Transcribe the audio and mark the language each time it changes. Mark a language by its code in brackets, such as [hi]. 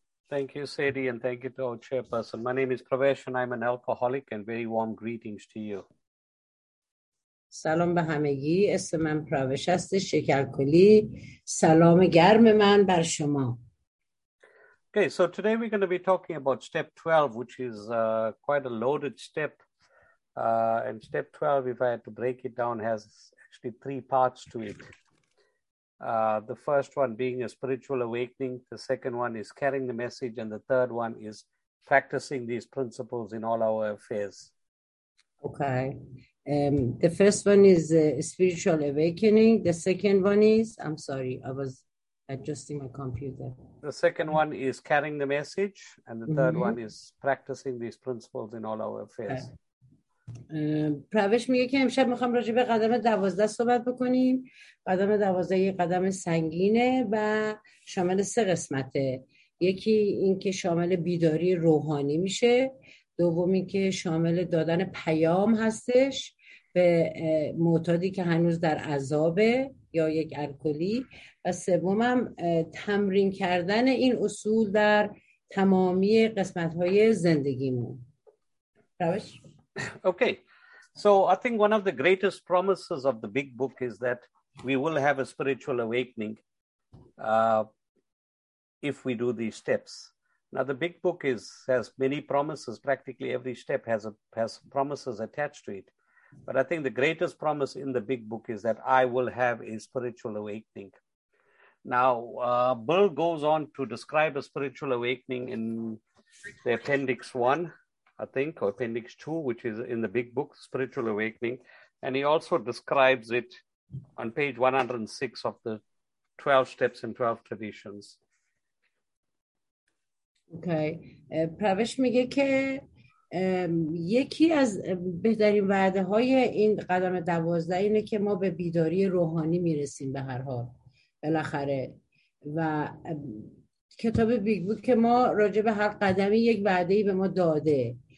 [en] Thank you, Sadie, and thank you to our chairperson. My name is Pravesh and I'm an alcoholic and very warm greetings to you. [fa] سلام به همگی، اسم من پروش است، شکرکلی، سلام گرم من بر شما. [en] Okay, so today we're going to be talking about step 12, which is quite a loaded step. And step 12, if I had to break it down, has actually three parts to it. The first one being a spiritual awakening, the second one is carrying the message, and the third one is practicing these principles in all our affairs. Okay. The first one is spiritual awakening. The second one is, I'm sorry, I was adjusting my computer. The second one is carrying the message, and the third one is practicing these principles in all our affairs. Okay. [fa] پروش میگه که امشب میخوام راجع به قدم 12 صحبت بکنیم. قدم 12 یه قدم سنگینه و شامل سه قسمته. یکی این که شامل بیداری روحانی میشه، دوم این که شامل دادن پیام هستش به معتادی که هنوز در عذابه یا یک الکلی، و سومم تمرین کردن این اصول در تمامی قسمت‌های زندگیمون. پروش؟ [en] Okay, so I think one of the greatest promises of the big book is that we will have a spiritual awakening if we do these steps. Now, the big book has many promises. Practically every step has promises attached to it. But I think the greatest promise in the big book is that I will have a spiritual awakening. Now, Bill goes on to describe a spiritual awakening in the Appendix 1. I think, or Appendix 2, which is in the big book, Spiritual Awakening. And he also describes it on page 106 of the 12 Steps and 12 Traditions. Okay. [fa] Pravesh میگه که یکی از بهترین وعده های این قدم 12 اینه که ما به بیداری روحانی میرسیم به هر حال. بالاخره. و کتاب بیگ بوک که ما راجع به هر قدمی یک وعده ای به ما داده.